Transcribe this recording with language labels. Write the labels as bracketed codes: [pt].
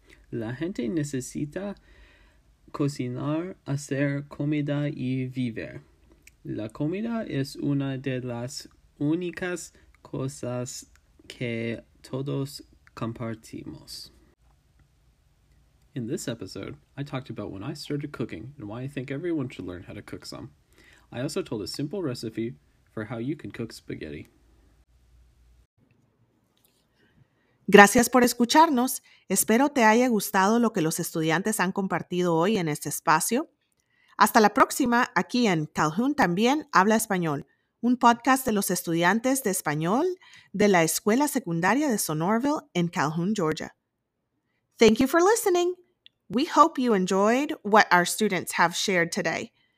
[es] La gente necesita cocinar, hacer comida y vivir. La comida es una de las únicas cosas que todos compartimos. [en] In this episode, I talked about when I started cooking and why I think everyone should learn how to cook some. I also told a simple recipe for how you can cook spaghetti. [es] Gracias por escucharnos. Espero te haya gustado lo que los estudiantes han compartido hoy en este espacio. Hasta la próxima aquí en Calhoun También Habla Español, un podcast de los estudiantes de español de la Escuela Secundaria de Sonorville en Calhoun, Georgia. [en] Thank you for listening. We hope you enjoyed what our students have shared today.